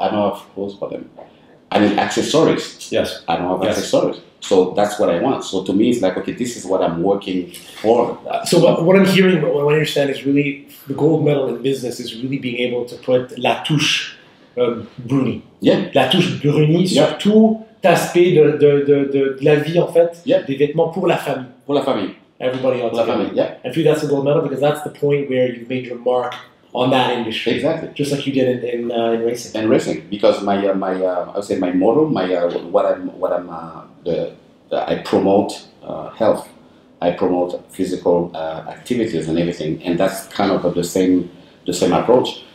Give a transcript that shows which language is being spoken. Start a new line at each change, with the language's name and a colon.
English: I don't have clothes for them. I need accessories. Yes. I don't have accessories. So that's what I want. So to me, it's like, okay, this is what I'm working for. So what I'm hearing, what I understand is really the gold medal in business is really being able to put
French: la touche Bruni.
English: Yeah.
French: La touche Bruni sur tout aspect de la vie, en fait.
English: Yeah.
French: Des vêtements pour la famille. Pour la famille.
English: Everybody else. Family, yeah. And for you, that's a gold medal because that's the point where you've made your mark on that industry. Exactly. Just like you did in racing. In racing, because I promote health. I promote physical activities and everything, and that's kind of the same approach.